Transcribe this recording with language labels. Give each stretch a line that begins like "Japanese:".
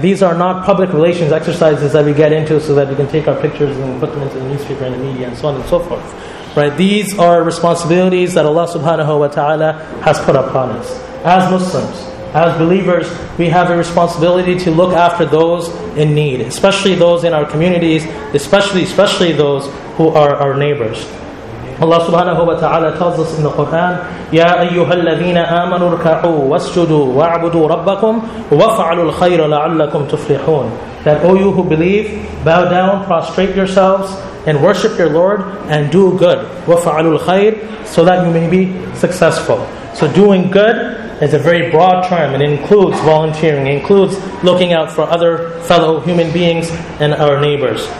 English: These are not public relations exercises that we get into so that we can take our pictures and put them into the newspaper and the media and so on and so forth, right? These are responsibilities that Allah subhanahu wa ta'ala has put upon us. As Muslims, as believers, we have a responsibility to look after those in need, especially those in our communities, especially those who are our neighbors. Allah subhanahu wa ta'ala tells us in the Quran,
Arabic: يَا أَيُّهَا الَّذِينَ آمَنُوا ارْكَعُوا وَاسْجُدُوا وَاعْبُدُوا رَبَّكُمْ وَفَعَلُوا الْخَيْرَ لَعَلَّكُمْ تُفْلِحُونَ.
English: That O you who believe, bow down, prostrate yourselves, and worship your Lord, and do good.
Arabic: وَفَعَلُوا الْخَيْرَ,
English: so that you may be successful. So doing good is a very broad term, and includes volunteering, includes looking out for other fellow human beings and our neighbors.